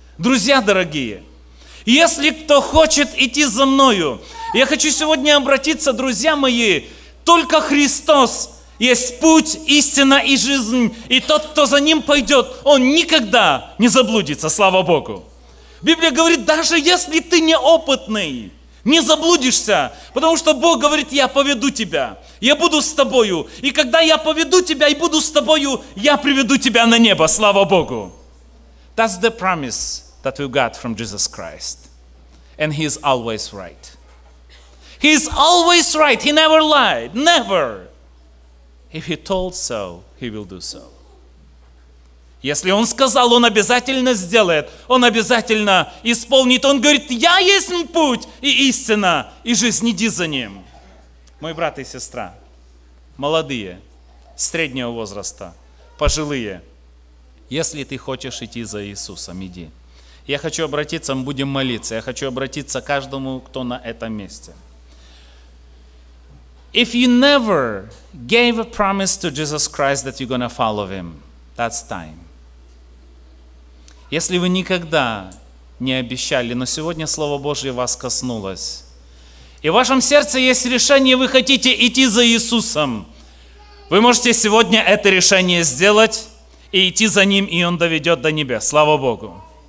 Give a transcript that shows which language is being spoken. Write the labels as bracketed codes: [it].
[ru] Друзья дорогие, если кто хочет идти за мною, я хочу сегодня обратиться, друзья мои, только Христос есть путь, истина и жизнь, и тот, кто за ним пойдет, он никогда не заблудится, слава Богу. Библия говорит, даже если ты неопытный, не заблудишься, потому что Бог говорит, я поведу тебя, я буду с тобою, и когда я поведу тебя и буду с тобою, я приведу тебя на небо, слава Богу. [en] That's the promise that we got from Jesus Christ. And he is always right. He is always right. He never lied. Never. If he told so, he will do so. [ru] Если он сказал, он обязательно сделает, он обязательно исполнит. Он говорит, я есть путь и истина, и жизнь, иди за ним. Мой брат и сестра, молодые, среднего возраста, пожилые, если ты хочешь идти за Иисусом, иди. Я хочу обратиться, мы будем молиться, я хочу обратиться к каждому, кто на этом месте. [en] If you never gave a promise to Jesus Christ that you're going to follow him, that's time. [ru] Если вы никогда не обещали, но сегодня Слово Божье вас коснулось, и в вашем сердце есть решение, вы хотите идти за Иисусом, вы можете сегодня это решение сделать и идти за Ним, и Он доведет до небес. Слава Богу!